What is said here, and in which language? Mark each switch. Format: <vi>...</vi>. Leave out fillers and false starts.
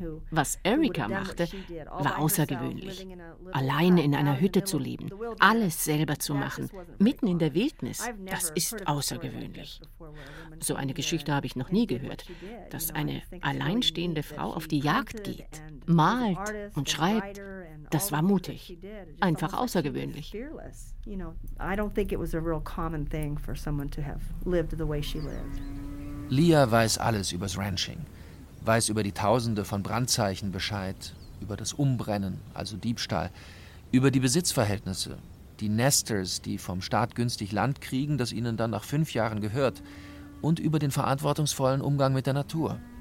<de>Was Erica machte, war außergewöhnlich. Alleine in einer Hütte zu leben, alles selber zu machen, mitten in der Wildnis, das ist außergewöhnlich. So eine Geschichte habe ich noch nie gehört, dass eine alleinstehende Frau auf die Jagd geht, malt und schreibt. Das war mutig, einfach außergewöhnlich.</de> <en>I don't think it was a real common thing for someone to have lived the way she lived.</en> <de>Lia weiß alles übers Ranching, weiß über die Tausende von Brandzeichen Bescheid, über das Umbrennen, also Diebstahl, über die Besitzverhältnisse, die Nesters, die vom Staat günstig Land kriegen, das ihnen dann nach 5 Jahren gehört, und über den verantwortungsvollen Umgang mit der Natur.</de>